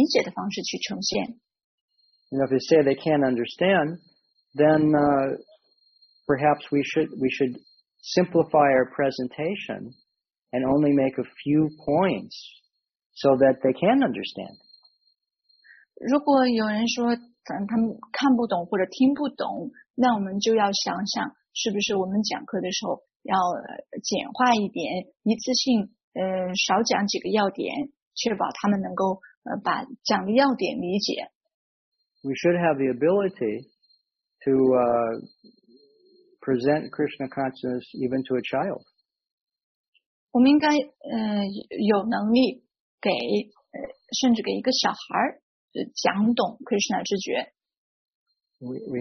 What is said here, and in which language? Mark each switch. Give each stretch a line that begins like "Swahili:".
Chinese: 如果我们了解，对方的情况，他们还对这个经典还很不了解，那我们在准备的讲课的时候，就要考虑他们的情况，想方设法把用他们容易理解的方式去呈现。
English: You know, if they say they can't understand, then perhaps we should simplify our presentation and only make a few points so that they can understand.
Chinese: 如果有人说他们看不懂或者听不懂，那我们就要想想是不是我们讲课的时候要简化一点，一次性少讲几个要点，确保他们能够把讲的要点理解。
English: We should have the ability to present Krishna consciousness even to a child.
Chinese: 我们应该有能力给甚至给一个小孩讲懂Krishna知觉。
English: We